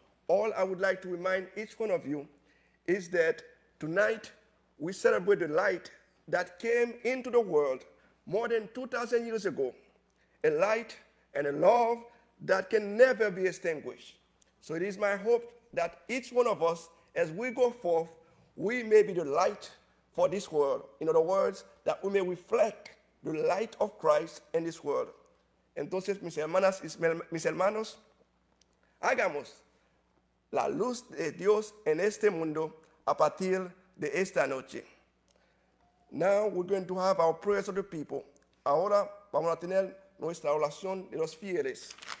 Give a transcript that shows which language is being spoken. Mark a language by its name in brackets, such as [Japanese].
[English] All I would like to remind each one of you is that tonight we celebrate the light that came into the world more than 2,000 years ago, a light and a love that can never be extinguished. So it is my hope that each one of us, as we go forth, we may be the light for this world. In other words, that we may reflect the light of Christ in this world. [Spanish] Entonces, mis hermanas y mis hermanos, hagamos la luz de Dios en este mundo a partir de esta noche. [English] Now we're going to have our prayers of the people. [Spanish] Ahora vamos a tener nuestra oración de los fieles.